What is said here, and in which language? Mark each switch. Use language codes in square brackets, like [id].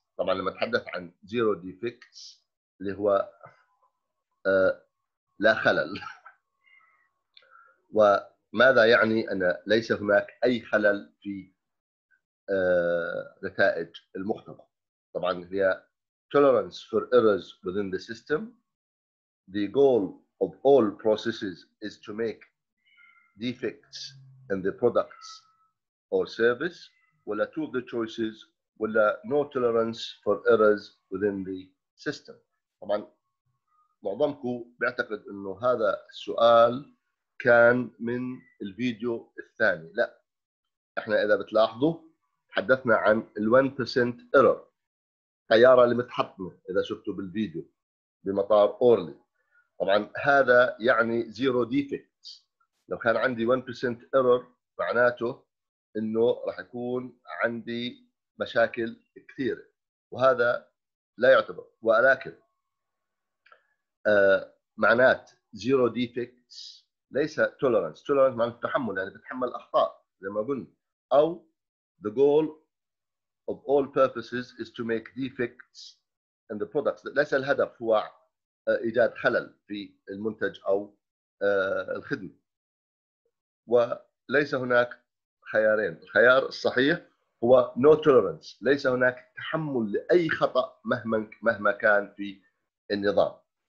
[ar] طبعا لما تحدث عن zero defects اللي هو لا خلل، وماذا يعني أن ليس هناك أي خلل في نتائج المختبر؟ طبعاً هي [en] tolerance for errors within the system. The goal of all processes is to make defects in the products or service. ولا two of the choices ولا no tolerance for errors within the system. [ar] طبعاً معظمكم بيعتقد انه هذا السؤال كان من الفيديو الثاني. لا، احنا اذا بتلاحظوا تحدثنا عن ال 1% error، طيارة اللي متحطمة اذا شفتوا بالفيديو بمطار اورلي. طبعا هذا يعني zero defects. لو كان عندي 1% error معناته انه راح يكون عندي مشاكل كثيرة، وهذا لا يعتبر. ولكن معنات zero defects ليس tolerance. tolerance معنى التحمل، يعني تتحمل أخطاء زي ما قلنا. [en] أو the goal of all purposes is to make defects in the products. [ar] ليس الهدف هو إيجاد خلل في المنتج أو الخدمة. وليس هناك خيارين، الخيار الصحيح هو no tolerance، ليس هناك تحمل لأي خطأ مهما كان في النظام.